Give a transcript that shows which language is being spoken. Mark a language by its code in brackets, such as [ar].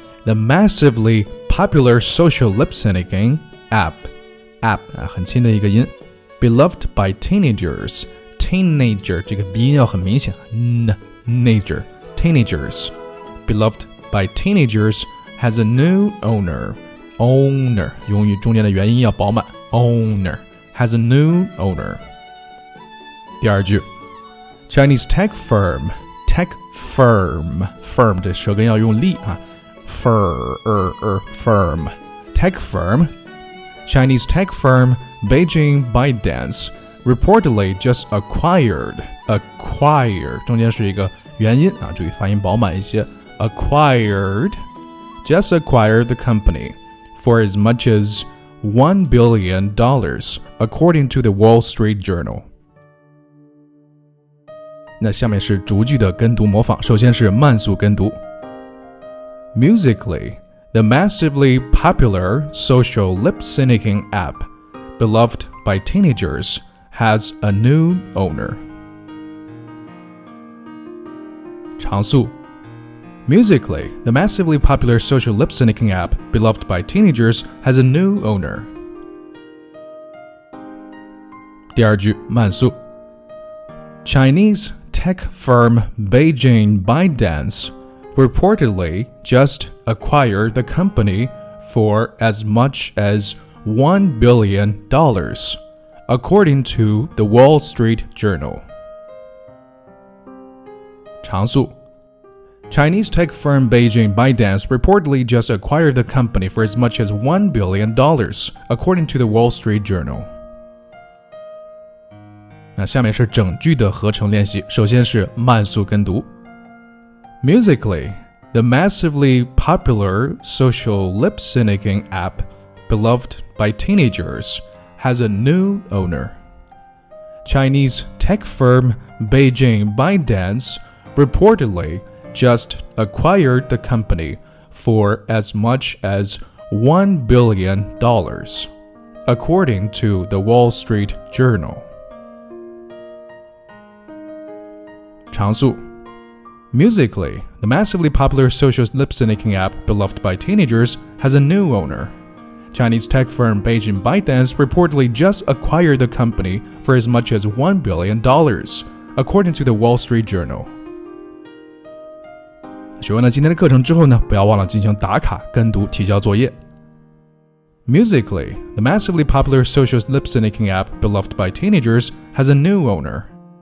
[en] The massively popular social lip-syncing app, app, [zh] 啊很轻的一个音 [en] ,beloved by teenagers,Teenager, [zh] 这个鼻音要很明显。 [en] Teenager, teenagers, beloved by teenagers, has a new owner. Owner, [zh] 用语中间的元音要饱满。 [en] Owner, has a new owner. [zh] 第二句 [en] Chinese tech firm, firm, [zh] 这舌根要用力啊。 [en] Firm, tech firm, Chinese tech firm, Beijing ByteDance,Reportedly just acquired, [zh] 中间是一个元音啊，注意发音饱满一些。 [en] Acquired, just acquired the company for as much as $1 billion, according to the Wall Street Journal. [zh] 那下面是逐句的跟读模仿，首先是慢速跟读。 [en] Musical.ly, the massively popular social lip-syncing app, beloved by teenagers. Has a new owner. [zh] 长速 [en] Musical.ly, the massively popular social lip-syncing app, beloved by teenagers, has a new owner. [zh] 第二句慢速 [en] Chinese tech firm Beijing ByteDance reportedly just acquired the company for as much as $1 billion. According to the Wall Street Journal. [zh] 长速 [en] Chinese tech firm Beijing ByteDance reportedly just acquired the company for as much as $1 billion, according to the Wall Street Journal. [zh] 那下面是整句的合成练习，首先是慢速跟读。 [en] Musical.ly, the massively popular social lip-syncing app beloved by teenagers has a new owner. Chinese tech firm Beijing ByteDance reportedly just acquired the company for as much as $1 billion, according to the Wall Street Journal. [zh] 长速。 [en] Musical.ly, the massively popular social lip-syncing app beloved by teenagers has a new owner. Chinese tech firm Beijing ByteDance reportedly just acquired the company for as much as $1 billion, according to the Wall Street Journal. [zh] 学完了今天的课程之后呢，不要忘了进行打卡、跟读、提交作业。 [en] Musical.ly, the massively popular social lip-syncing app beloved by teenagers has a new owner.